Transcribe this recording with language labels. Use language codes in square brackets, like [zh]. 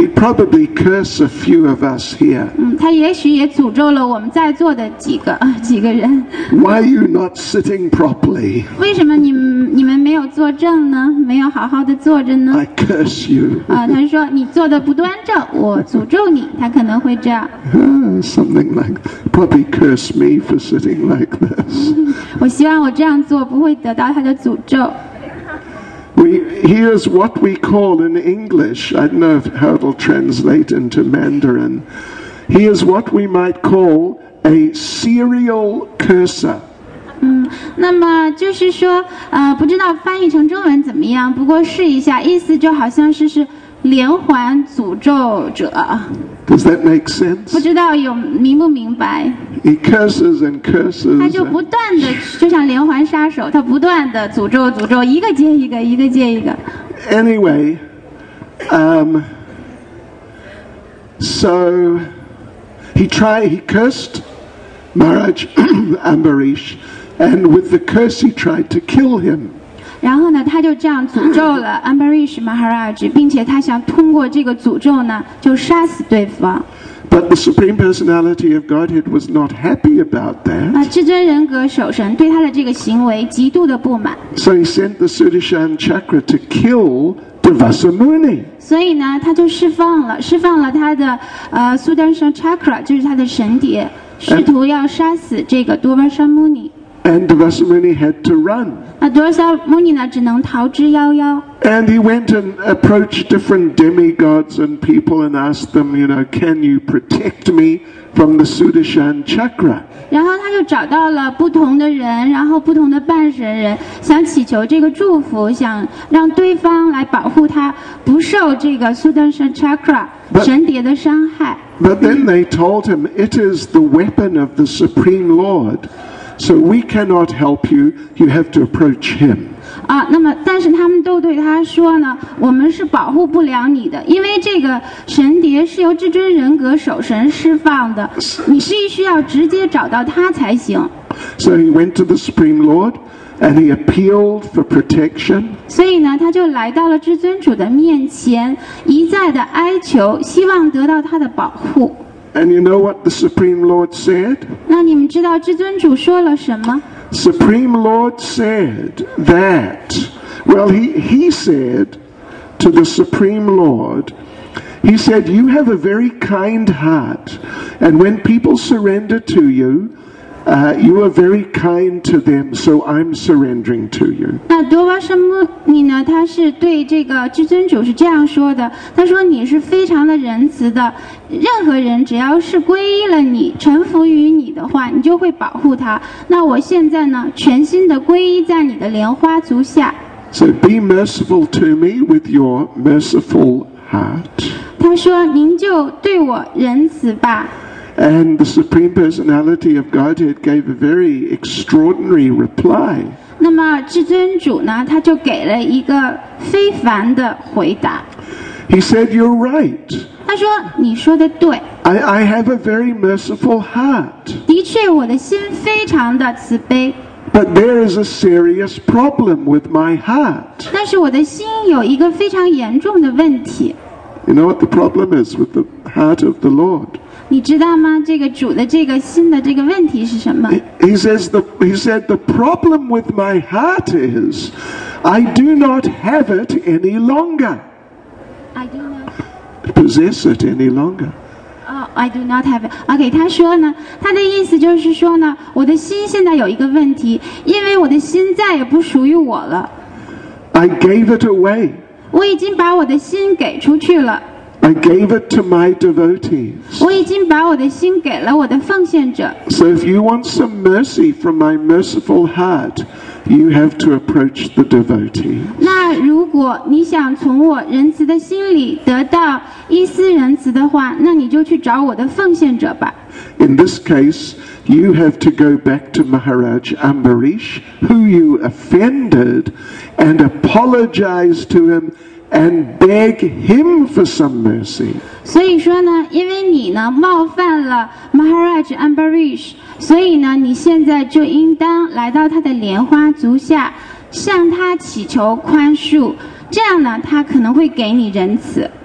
[en] He probably cursed a few of us here. [zh] 他也许也诅咒了我们在座的几个人。 [en] Why are you not sitting properly? [zh] 为什么你们没有坐正呢？没有好好的坐着呢 [en] ？I curse you. [zh] 他说你坐的不端正，我诅咒你。他可能会。 [en] Something like probably curse me for sitting like this. [zh] 我希望我这样做不会得到他的诅咒。 [en] Here's what we call in English. I don't know how it'll translate into Mandarin. He is what we might call a serial curser. [zh] 那么就是说，不知道翻译成中文怎么样。不过试一下，意思就好像是。连环诅咒者。 [en] Does that make sense? [zh] 不知道有明不明白。 [en] He curses and curses. [zh] 他就不断的，就像连环杀手，他不断的诅咒，一个接一个，一个接一个。 [en] Anyway, so he cursed Maharaj Ambarish, and with the curse he tried to kill him. [zh] 然后呢，他就这样诅咒了 Ambarish Maharaj， 并且他想通过这个诅咒呢，就杀死对方。 [en] But the Supreme Personality of Godhead was not happy about that. [zh] 至尊人格守神对他的这个行为极度的不满。 [en] So he sent the Sudarshan Chakra to kill Durvasamuni. [zh] 所以呢，他就释放了他的Sudarshan Chakra， 就是他的神碟，试图要杀死这个 Durvasamuni。 [en] And Durvasamuni had to run. [zh] 那 Durvasamuni 呢，只能逃之夭夭。 [en] And he went and approached different demigods and people and asked them, you know, can you protect me from the Sudarshan Chakra? [zh] 然后他就找到了不同的人，然后不同的半神人，想祈求这个祝福，想让对方来保护他不受这个 Sudarshan Chakra 神碟的伤害。 [en] But then they told him, it is the weapon of the Supreme Lord. So we cannot help you. You have to approach him. [zh] 那么但是他们都对他说呢，我们是保护不了你的，因为这个神碟是由至尊人格守神释放的，你必须要直接找到他才行。 [en] So he went to the Supreme Lord, and he appealed for protection. [zh] 所以呢，他就来到了至尊主的面前，一再的哀求，希望得到他的保护。 [en] And you know what the Supreme Lord said? [zh] 那你们知道至尊主说了什么 [en] ？Supreme Lord said that. Well, he said to the Supreme Lord, he said, "You have a very kind heart, and when people surrender to you, you are very kind to them. So I'm surrendering to you." [zh] 那多瓦什穆尼呢？他是对这个至尊主是这样说的。他说：“你是非常的仁慈的。” 任何人只要是皈依了你臣服于你的话你就会保护他那我现在呢全心的皈依在你的莲花足下 [en] So be merciful to me with your merciful heart. [zh] 他说您就对我仁慈吧。 [en] And the Supreme Personality of Godhead gave a very extraordinary reply. [zh] 那么至尊主呢，他就给了一个非凡的回答。 [en] He said, "You're right." [zh] 他说你说的对。 [en] I have a very merciful heart. [zh] 的确，我的心非常的慈悲。 [en] But there is a serious problem with my heart. [zh] 但是我的心有一个非常严重的问题。 [en] You know what the problem is with the heart of the Lord? [zh] 你知道吗？这个主的这个心的这个问题是什么 [en] he said, the problem with my heart is, I do not have it any longer. I do not possess it any longer. Oh, I do not have it. [zh] Okay, 他说呢，他的意思就是说呢，我的心现在有一个问题，因为我的心再也不属于我了。 [en] I gave it away. [zh] 我已经把我的心给出去了。 [en] I gave it to my devotees. [zh] 我已经把我的心给了我的奉献者。 [en] So if you want some mercy from my merciful heart, you have to approach the devotees. [zh] 那如果你想从我仁慈的心里得到一丝仁慈的话，那你就去找我的奉献者吧。 [en] In this case, you have to go back to Maharaj Ambarish, who you offended, and apologize to him and beg him for some mercy. [zh] 所以说呢，因为你呢冒犯了 Maharaj Ambarish, 所以呢你现在就应当来到他的莲花足下，向他祈求宽恕，这样呢他可能会给你仁慈。